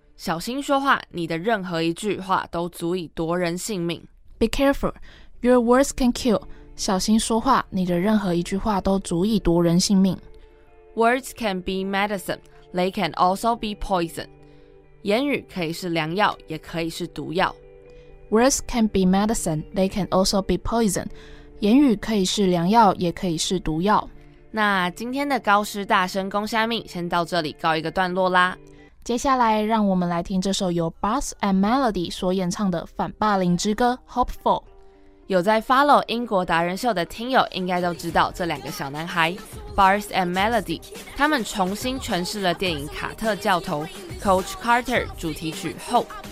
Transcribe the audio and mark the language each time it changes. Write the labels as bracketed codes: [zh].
[zh] 小心说话，你的任何一句话都足以夺人性命。 [en] Be careful. Your words can kill. [zh] 小心说话，你的任何一句话都足以夺人性命。 [en] Words can be medicine. They can also be poison. [zh] 言语可以是良药，也可以是毒药。 [en] Words can be medicine, they can also be poison. [zh] 言语可以是良药，也可以是毒药。那今天的高师大声公虾米先到这里告一个段落啦。接下来让我们来听这首由 Buzz and Melody 所演唱的反霸凌之歌 Hopeful。有在 follow 英国达人秀的听友应该都知道这两个小男孩 Buzz and Melody， 他们重新诠释了电影《卡特教头》Coach Carter 主题曲 Hope。